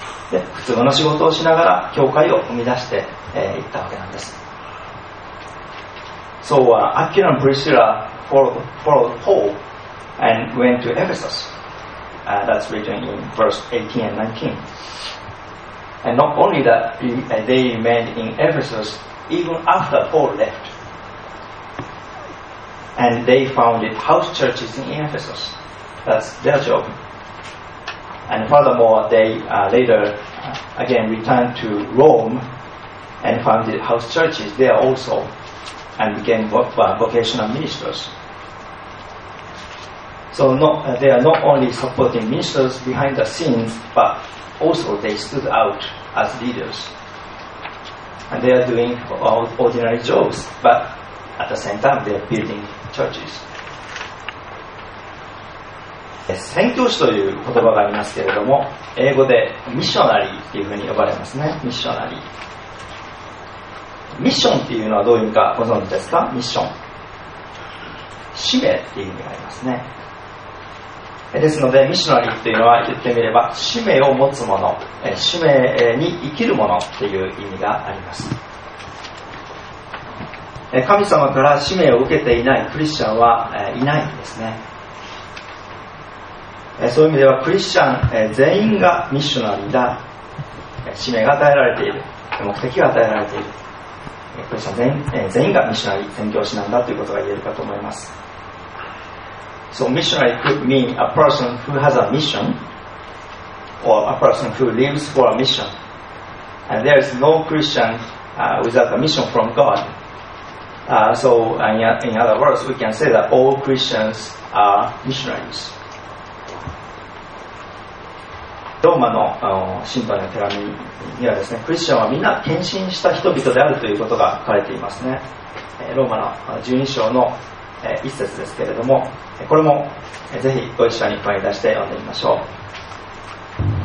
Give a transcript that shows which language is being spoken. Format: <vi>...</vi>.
<ja>で、普通の仕事をしながら教会を生み出していったわけなんです。</ja> <en>So, Aquila and Priscilla followed Paul and went to Ephesus. That's written in verse 18 and 19. And not only that, they remained in Ephesus even after Paul left. And they founded house churches in Ephesus. That's their job. And furthermore, they later again returned to Rome and founded house churches there also and became vocational ministers. So they are not only supporting ministers behind the scenes, but also they stood out as leaders. And they are doing ordinary jobs, but at the same time they are building.</en> <ja>宣教師という言葉がありますけれども、英語でミッショナリーというふうに呼ばれますね。ミッショナリー、ミッションっていうのはどういう意味かご存知ですか。ミッション、使命っていう意味がありますね。ですのでミッショナリーというのは言ってみれば使命を持つ者、使命に生きる者という意味があります。神様から使命を受けていないクリスチャンはいないんですね。そういう意味ではクリスチャン全員がミッショナリーだ。使命が与えられている、目的が与えられている。クリスチャン全員がミッショナリー、宣教師なんだということが言えるかと思います。</ja> <en>So missionary could mean a person who has a mission or a person who lives for a mission. And there is no Christian without a mission from GodIn other words, we can say that all Christians are missionaries.</en> <ja>ローマの信徒の手紙にはですね、クリスチャンはみんな献身した人々であるということが書かれていますね。ローマの12章の一節ですけれども、これもぜひご一緒に声に出して読んでみましょう。</ja>